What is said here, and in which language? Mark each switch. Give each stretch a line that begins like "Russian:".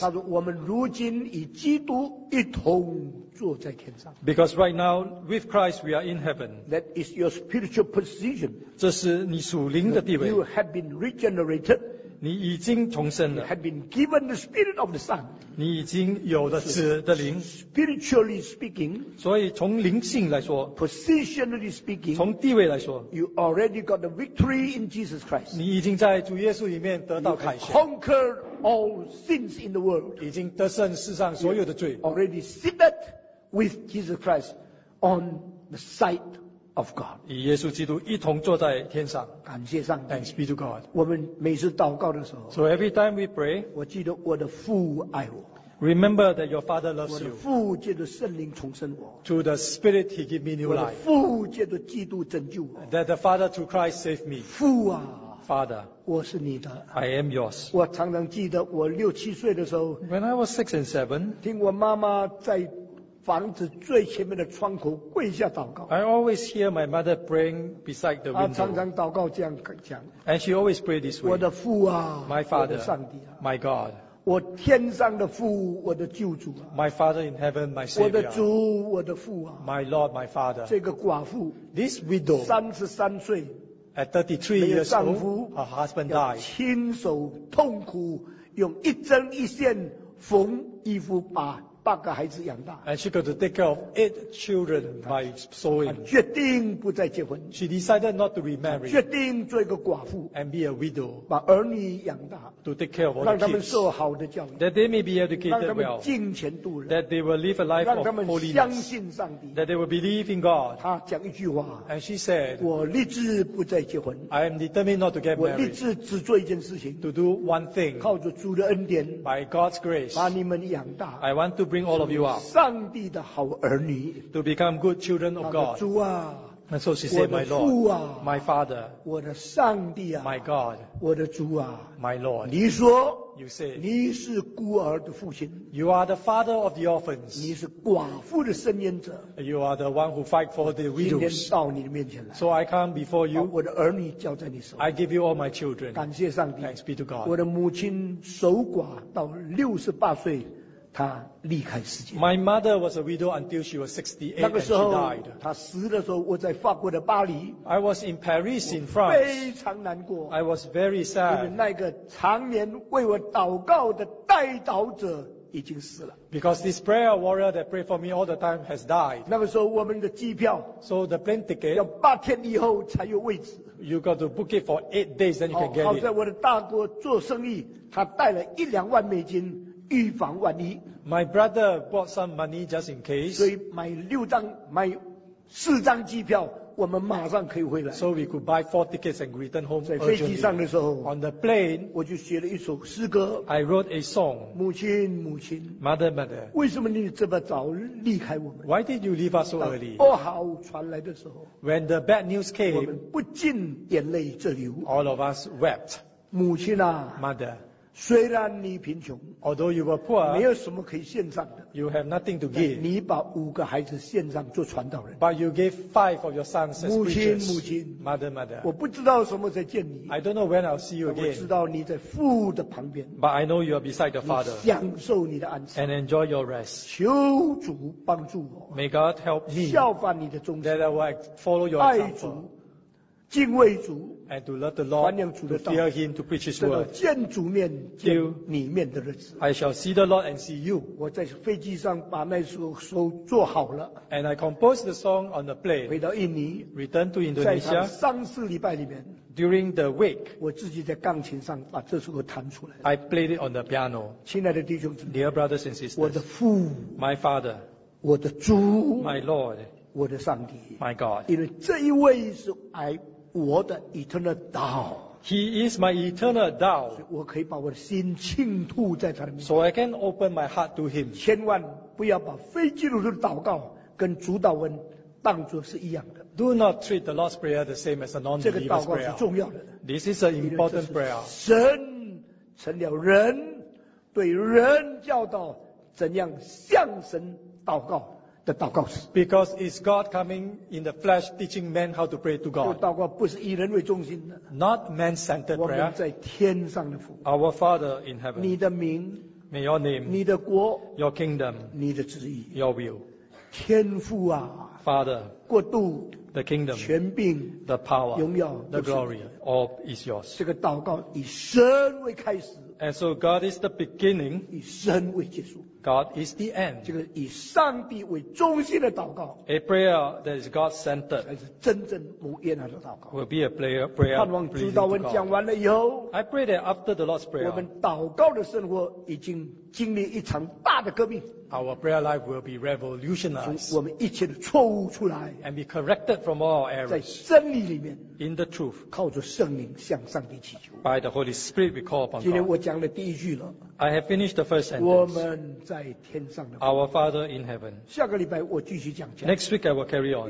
Chinese: 他说我们如今与基督一同坐在天上。
English: Because right now, with Christ, we are in heaven. That is your spiritual position.
Chinese: 这是你属灵的地位。
English: You have been regenerated.
Chinese: 你已经重生了。
English: You have been given the spirit of the Son.
Chinese: 你已经有了子的灵。
English: Spiritually speaking,
Chinese: 所以从灵性来说
English: ，positionally speaking,
Chinese: 从地位来说
English: ，you already got the victory in Jesus Christ.
Chinese: 你已经在主耶稣里面得到凯旋。
English: You have conquered all sins in the world.
Chinese: 已经得胜世上所有的罪。
English: You already seated with Jesus Christ on the side. Of God.
Chinese: 与耶稣基督一同坐在天上。感谢上帝。
English: Thanks be to God.
Chinese: 我们每次祷告的时候。
English: So every time we pray.
Chinese: 我记得我的父爱我。
English: Remember that your father loves you.
Chinese: 我的父借着圣灵重生我。
English: Through the spirit he gave me new life.
Chinese: 我的父借着基督拯救我。
English: That the father through Christ saved me.
Chinese: 父啊。
English: Father.
Chinese: 我是你的。
English: I am yours.
Chinese: 我常常记得我六七岁的时候。
English: When I was 6 and 7.
Chinese: 听我妈妈在房子最前面的窗口跪下祷告。
English: I always hear my mother praying beside the window.
Chinese: 她常常祷告这样讲。
English: And she always prayed this way.
Chinese: 我的父啊
English: ，My Father,
Chinese: 我的上帝啊
English: ，My God.
Chinese: 我天上的父，我的救主啊
English: ，My Father in heaven, my Savior.
Chinese: 我的主，我的父啊
English: ，My Lord, my Father.
Chinese: 这个寡妇
English: ，This widow,
Chinese: 33岁
English: ，At 33 years old, her husband died.
Chinese: 亲手痛苦用一针一线缝衣服把。八个孩子养大
English: ，and she got to take care of 8 children by sewing.
Chinese: 决定不再结婚
English: ，she decided not to remarry.
Chinese: 决定做一个寡妇
English: ，and be a widow.
Chinese: 把儿女养大
English: ，to take care of all the kids.
Chinese: 让他们受好的教育
English: ，that they may be educated well.
Chinese: 让他们敬虔度人
English: ，that they will live a life of holiness.
Chinese: 让他们相信上帝
English: ，that they will believe in God.
Chinese: 她讲一句话
English: ，and she said,
Chinese: 我立志不再结婚
English: ，I am determined not to get married.
Chinese: 我立志只做一件事情
English: ，to do one thing.
Chinese: 靠着主的恩典
English: ，by God's grace,
Chinese: 把你们养大
English: ，I want to bring all of you up.
Chinese: 上帝的好儿女
English: to become good children of God.
Chinese: 主啊
English: And so she said, my Lord,
Chinese: 我的父啊
English: my Father,
Chinese: 我的上帝啊
English: my God,
Chinese: 我的主啊
English: my Lord,
Chinese: 你说
English: you say,
Chinese: 你是孤儿的父亲
English: you are the father of the orphans,
Chinese: 你是寡妇的伸冤者
English: you are the one who fight for the widows.
Chinese: 今天到你的面前来
English: so I come before you,
Chinese: 把我的儿女交在你手
English: I give you all my children.
Chinese: 感谢上帝
English: thanks be to God.
Chinese: 我的母亲守寡到68岁她离开世界。
English: My mother was a widow until she was 68 and she died.
Chinese: 她死的时候，我在法国的巴黎。
English: I was in Paris in France.
Chinese: 非常难过。
English: I was very sad.
Chinese: 因为那个常年为我祷告的代祷者已经死了。
English: Because this prayer warrior that prayed for me all the time has died.
Chinese: 那个时候我们的机票
English: ，so the plane ticket
Chinese: 要八天以后才有位置。
English: You got to book it for 8 days, then you can get it.
Chinese: 好在我的大哥做生意，他带了1-2万美金。预防万一
English: ，My brother bought some money just in case。
Chinese: 所以买六张、买四张机票，我们马上可以回来。
English: So we could buy 4 tickets and return home.
Chinese: 在飞机上的时候
English: ，On the plane，
Chinese: 我就写了一首诗歌。
English: I wrote a song。
Chinese: 母亲，母亲
English: ，Mother, mother，
Chinese: 为什么你这么早离开我们
English: ？Why did you leave us so early？
Chinese: 不好传来的时候
English: ，When the bad news came，
Chinese: 我们不禁眼泪直流。
English: All of us wept。
Chinese: 母亲啊
English: ，Mother。
Chinese: 虽然你贫穷
English: ，although you were poor，
Chinese: 没有什么可以献上的
English: ，you have nothing to give。
Chinese: 你把五个孩子献上做传道人
English: ，but you gave 5 of your sons as preachers。
Chinese: 母亲，母亲
English: ，mother, mother。
Chinese: 我不知道什么时候见你
English: ，I don't know when I'll see you again。
Chinese: 我知道你在父的旁边
English: ，but I know you are beside the father。
Chinese: 享受你的安息
English: ，and enjoy your rest。
Chinese: 求主帮助我
English: ，may God help me。
Chinese: 效法你的忠心
English: ，that I will follow your example。
Chinese: 爱主，敬畏主。
English: And to love the Lord, to fear Him, to preach His word.
Chinese: 见主面，见你面的日子。
English: I shall see the Lord and see you.
Chinese: 我在飞机上把那首做好了。
English: And I composed the song on the plane.
Chinese: 回到印尼
English: ，return to Indonesia.
Chinese: 在上四礼拜里面
English: ，during the week,
Chinese: 我自己在钢琴上把这首歌弹出来。
English: I played it on the piano.
Chinese: 亲爱的弟兄姊妹
English: ，dear brothers and sisters,
Chinese: 我的父
English: ，my father,
Chinese: 我的主
English: ，my Lord,
Chinese: 我的上帝
English: ，my God.
Chinese: 因为这一位是爱。我的
English: eternal Tao. He is my eternal Tao.
Chinese: 我可以把我的心倾吐在他的面前。
English: So I can open my heart to him.
Chinese: 千万不要把非基督徒的祷告跟主祷文当作是一样的。
English: Do not treat the Lord's Prayer the same as a non-believer's prayer.
Chinese: 这个祷告是重要的。
English: This is an important prayer.
Chinese: 神成了人，对人教导怎样向神祷告。的祷告。
English: Because it's God coming in the flesh teaching men how to pray to God.
Chinese: 这个祷告不是以人为中心的。
English: Not man-centered prayer.
Chinese: 我们在天上的父。
English: Our Father in heaven.
Chinese: 你的名。
English: May your name.
Chinese: 你的国。
English: Your kingdom.
Chinese: 你的旨意。
English: Your will.
Chinese: 天父啊。
English: Father.
Chinese: 国度。
English: The kingdom.
Chinese: 权柄。
English: The power.
Chinese: 荣耀。
English: The glory. All is yours.
Chinese: 这个祷告以神为开始。
English: And so God is the beginning.
Chinese: 以神为结束。
English: God is the end.
Chinese: 这个以上帝为中心的祷告。
English: A prayer that is God-centered.
Chinese: 才是真正蒙悦纳的祷告。
English: Will be a prayer, prayer.
Chinese: 盼望主祷文讲完了以后。
English: I pray that after the Lord's prayer.
Chinese: 我们祷告的生活已经经历一场大的革命。
English: Our prayer life will be revolutionized.
Chinese: 从我们一切的错误出来。
English: And be corrected from all our errors.
Chinese: 在真理里面。
English: In the truth.
Chinese: 靠着圣灵向上帝祈求。
English: By the Holy Spirit we call upon God.
Chinese: 今天我讲了第一句了。
English: I have finished the first sentence.
Chinese: 我们在天上的父。
English: Our Father in heaven.
Chinese: 下个礼拜我继续讲讲。
English: Next week I will carry on.